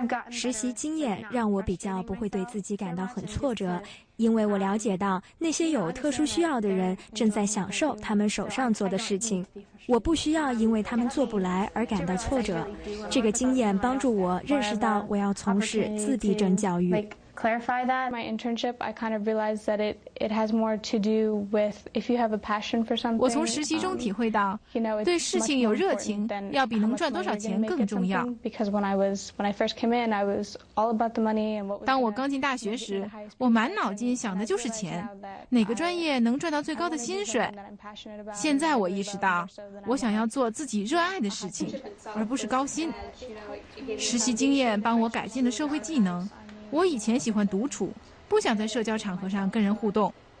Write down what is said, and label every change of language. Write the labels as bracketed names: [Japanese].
[Chinese] 实习经验让我比较不会对自己感到很挫折，因为我了解到那些有特殊需要的人正在享受他们手上做的事情，我不需要因为他们做不来而感到挫折。这个经验帮助我认识到我要从事自闭症教育。 [English] Clarify that. My internship, I kind of realized that it has more to do with if you have a passion for something. [Chinese] 我从实习中体会到，对事情有热情，要比能赚多少钱更重要。 [English] Because when I first came in, I was all about the money and what. [Chinese] 当我刚进大学时，我满脑筋想的就是钱，哪个专业能赚到最高的薪水。现在我意识到，我想要做自己热爱的事情，而不是高薪。实习经验帮我改进了社会技能。我以前喜欢独处，不想在社交场合上跟人互动。